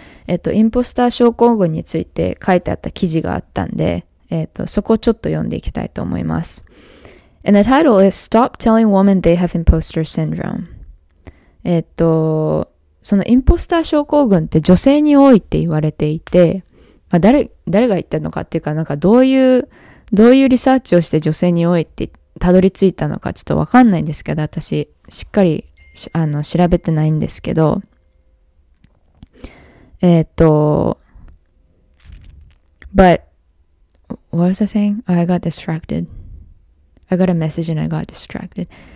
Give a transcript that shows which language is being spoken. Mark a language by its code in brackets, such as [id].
[ja] インポスター症候群について書いてあった記事があったんで、そこをちょっと読んでいきたいと思います。 [en] And the title is Stop Telling Women They Have Imposter Syndrome. [ja] そのインポスター症候群って女性に多いって言われていて、まあ、誰が言ったのかっていうか、なんかどういうリサーチをして女性に多いってたどり着いたのかちょっとわかんないんですけど、私しっかり調べてないんですけど、 [en] But what was I saying? Oh, I got distracted. I got a message and I got distracted.